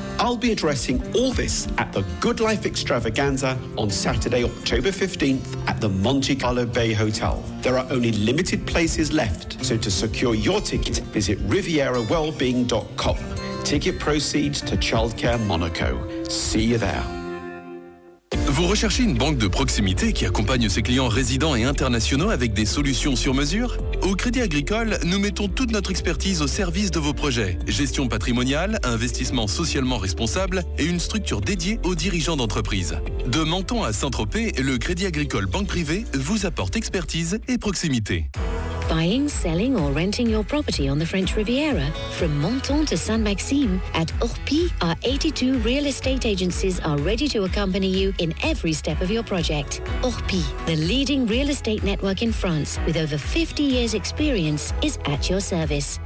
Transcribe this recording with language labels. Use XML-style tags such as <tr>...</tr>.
<en>I'll be addressing all this at the Good Life Extravaganza on Saturday, October 15th at the Monte Carlo Bay Hotel. There are only limited places left, so to secure your ticket, visit rivierawellbeing.com. Ticket proceeds to Childcare Monaco. See you there.</en> <fr>Vous recherchez une banque de proximité qui accompagne ses clients résidents et internationaux avec des solutions sur mesure? Au Crédit Agricole, nous mettons toute notre expertise au service de vos projets. Gestion patrimoniale, investissement socialement responsable et une structure dédiée aux dirigeants d'entreprise. De Menton à Saint-Tropez, le Crédit Agricole Banque Privée vous apporte expertise et proximité.</fr> <en>Buying, selling or renting your property on the French Riviera, from Menton to Saint-Maxime, at Orpi, our 82 real estate agencies are ready to accompany you in every step of your project. Orpi, the leading real estate network in France with over 50 years' experience, is at your service.</en>